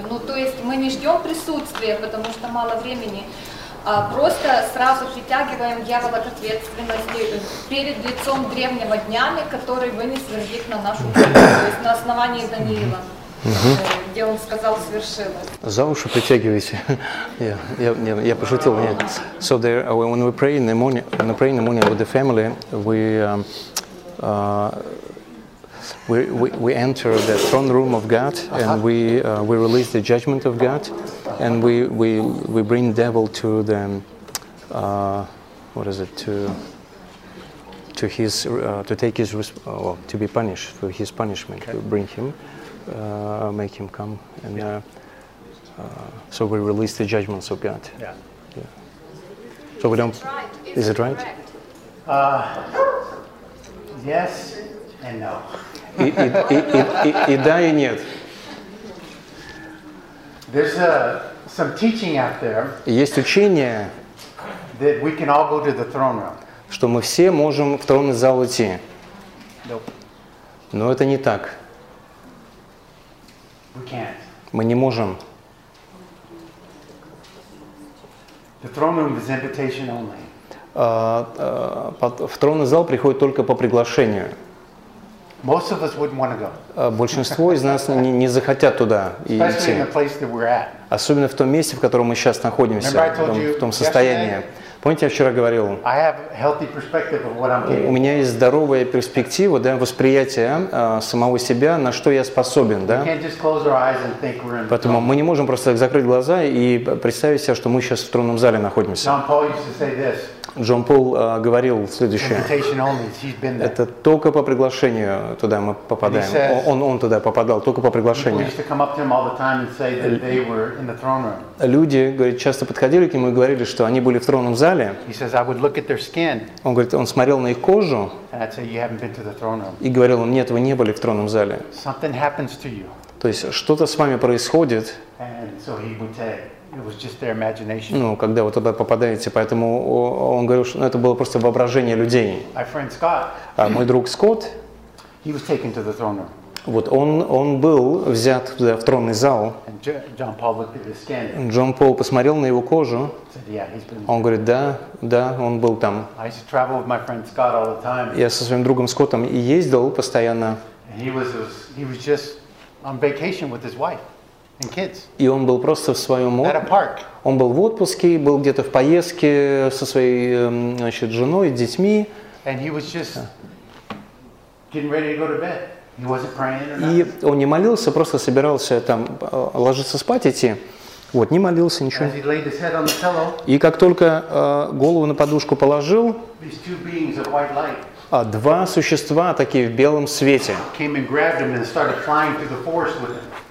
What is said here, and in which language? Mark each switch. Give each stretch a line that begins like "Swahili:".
Russian: Ну, то есть мы не ждем присутствия, потому что мало времени, а просто сразу притягиваем дьявола к ответственности перед лицом древнего дня, который вынес вердикт на нашу жизнь, то есть на основании Даниила. Угу. Где он сказал, свершилось. За уши притягивайте. Я пошутил. Нет.
English: So there, when we pray in the morning, with the family, we enter the throne room of God and we release the judgment of God and we bring devil to the what is it to his to take his to be punished for his punishment. Okay. We bring him. Make him come, and so we release the judgments of God. Yeah. Yeah. So we don't. Is it right? Yes and no.
Russian: И да и нет.
English: There's some teaching out there.
Russian: Есть учение.
English: That we can all go to the throne room.
Russian: Что мы все можем в тронный зал идти.
English: Nope.
Russian: Но это не так.
English: We can't.
Russian: Мы не можем.
English: The throne room is invitation only.
Russian: В тронный зал приходит только по приглашению.
English: Most of us wouldn't want to go.
Russian: Большинство из нас не захотят туда
English: Especially
Russian: идти.
English: In the place that we're at.
Russian: Особенно в том месте, в котором мы сейчас находимся, в том состоянии. Помните, я вчера говорил?
English: I have healthy perspective of what I'm getting.
Russian: У меня есть здоровая перспектива, да, восприятие самого себя, на что я способен, да?
English: We can't just close our eyes and think we're in the
Russian: Поэтому
English: throne.
Russian: Мы не можем просто закрыть глаза и представить себя, что мы сейчас в тронном зале находимся.
English: John Paul used to say this.
Russian: Джон Пол говорил следующее.
English: Invitation only. He's been there.
Russian: Это только по приглашению туда мы попадаем.
English: He says,
Russian: он туда попадал, только по приглашению.
English: People used to come up to him all the time and say that they were in the throne room.
Russian: Люди, говорит, часто подходили к нему и говорили, что они были в тронном зале.
English: He says, I would look at their skin.
Russian: Он говорит, он смотрел на их кожу.
English: And I'd say, you haven't been to the throne room.
Russian: И говорил он, нет, вы не были в тронном зале.
English: Something happens to you.
Russian: То есть что-то с вами происходит.
English: And so he would say, it was just their imagination.
Russian: Ну, когда вы туда попадаете, поэтому он говорил, что это было просто воображение людей.
English: My friend Scott.
Russian: Мой друг Скотт.
English: He was taken to the throne room.
Russian: Вот он был взят туда, в тронный зал.
English: And John Paul looked at his skin.
Russian: Джон Пол посмотрел на его кожу.
English: Said, yeah, he's been.
Russian: Он говорит, да, он был там.
English: I used to travel with my friend Scott all the time.
Russian: Я со своим другом Скоттом ездил постоянно.
English: And he was just on vacation with his wife. And kids.
Russian: И он был просто в своем отпуске. Он был в отпуске, был где-то в поездке со своей, значит, женой, с детьми.
English: And he was just getting ready to go to bed. He wasn't praying or nothing.
Russian: И он не молился, просто собирался там ложиться спать идти. Вот, не молился, ничего.
English: As he laid his head on the pillow,
Russian: и как только голову на подушку положил,
English: these two beings of white light.
Russian: Два существа такие в белом свете.
English: Came and grabbed him and started flying through the forest with him.